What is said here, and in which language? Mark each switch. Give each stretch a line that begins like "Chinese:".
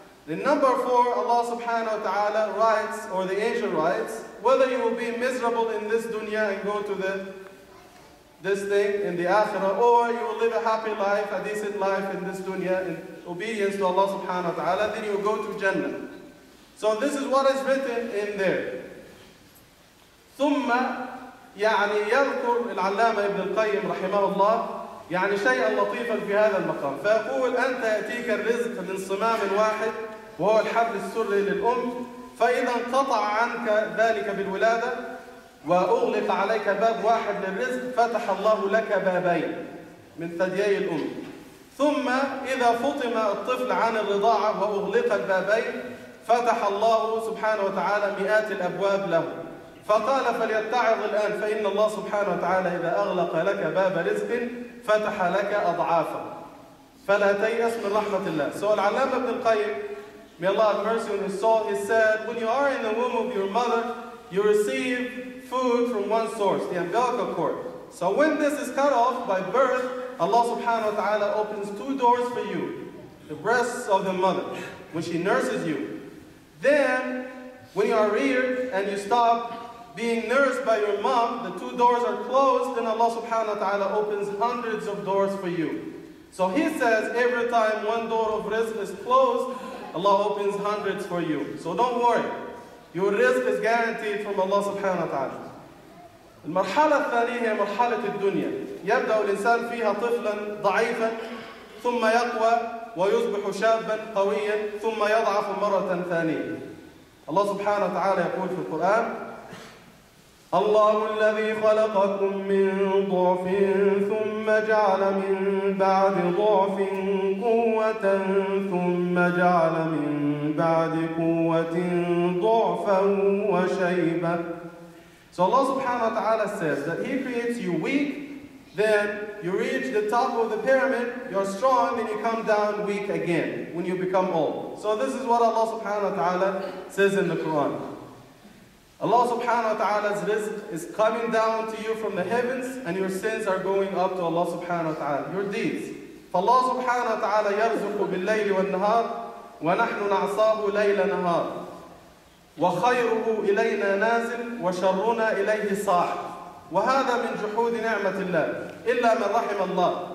English: The number four, Allah subhanahu wa ta'ala writes, or the angel writes, whether you will be miserable in this dunya and go to this thing in the akhirah, or you will live a happy life, a decent life in this dunya, in obedience to Allah subhanahu wa ta'ala, then you will go to Jannah. So this is what is written in there.
Arabic: ثم يعني يذكر العلامة ابن القيم رحمه الله يعني شيئا لطيفا في هذا المقام فيقول أنت يأتيك الرزق من صمام واحد وهو الحبل السري للأم فإذا انقطع عنك ذلك بالولادة وأغلق عليك باب واحد للرزق فتح الله لك بابين من ثديي الأم ثم إذا فطم الطفل عن الرضاعة وأغلق البابين فتح الله سبحانه وتعالى مئات الأبواب له فقال فليتعظ الآن فإن الله سبحانه وتعالى إذا أغلق لك باب رزق فتح لك أضعافا فلا تيأس من رحمة الله. سؤال العلامة ابن القيم
English: May Allah have mercy on his soul. He said, when you are in the womb of your mother, you receive food from one source, the umbilical cord. So when this is cut off by birth, Allah subhanahu wa ta'ala opens two doors for you. The breasts of the mother, when she nurses you. Then, when you are reared and you stop being nursed by your mom, the two doors are closed, then Allah subhanahu wa ta'ala opens hundreds of doors for you. So he says, every time one door of rizq is closed, Allah opens hundreds for you. So don't worry. Your rizq is guaranteed from Allah subhanahu wa ta'ala.
Arabic: المرحلة الثانية هي مرحلة الدنيا. يبدأ الإنسان فيها طفلا ضعيفا ثم يقوى ويصبح شابا قويا ثم يضعف مرة ثانية. الله سبحانه وتعالى يقول في القرآن: الله الذي خلقكم من ضعف ثم جعل من بعد ضعف قوة ثم جعل من بعد قوة ضعفا وشيبا.
English: So Allah subhanahu wa ta'ala says that He creates you weak, then you reach the top of the pyramid, you're strong, then you come down weak again when you become old. So this is what Allah subhanahu wa ta'ala says in the Quran. Allah subhanahu wa ta'ala's rizq is coming down to you from the heavens, and your sins are going up to Allah subhanahu wa ta'ala, your deeds.
Arabic: فَاللَّهُ سُبْحَانَهُ وَتَعَالَى يَرْزُقُ بِاللَّيْلِ وَالنَّهَارِ وَنَحْنُ نَعْصَاهُ لَيْلَ نَهَارِ وخيره إلينا نازل وشرنا إليه صاح وهذا من جحود نعمة الله إلا من رحم الله.